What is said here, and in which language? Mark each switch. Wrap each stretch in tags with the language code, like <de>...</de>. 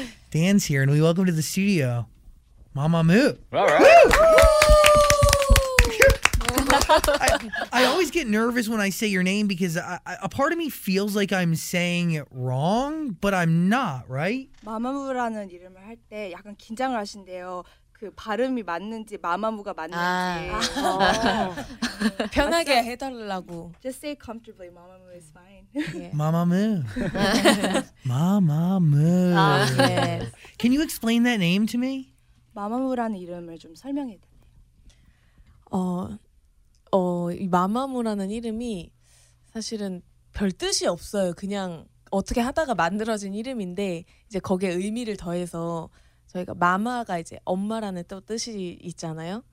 <en>Dan's here, and we welcome to the studio, Mamamoo. All right. Woo! I always get nervous when I say your name because a part of me feels like I'm saying it wrong, but I'm not, right?</en> <ko>Mamamoo라는 이름을 할 때 약간 긴장을 하신대요. 그 발음이 맞는지 마마무가 맞는지 편하게 해달라고.</ko> <en>Just say comfortably, Mamamoo is fine. Mamamoo. Mamamoo. Can you explain that name to me?</en> <ko>Mamamoo라는 이름을 좀 설명해드려요. 이 마마무라는 이름이 사실은 별 뜻이 없어요. 그냥 어떻게 하다가 만들어진 이름인데 이제 거기에 의미를 더해서 저희가 마마가 이제 엄마라는 또 뜻이 있잖아요.</ko>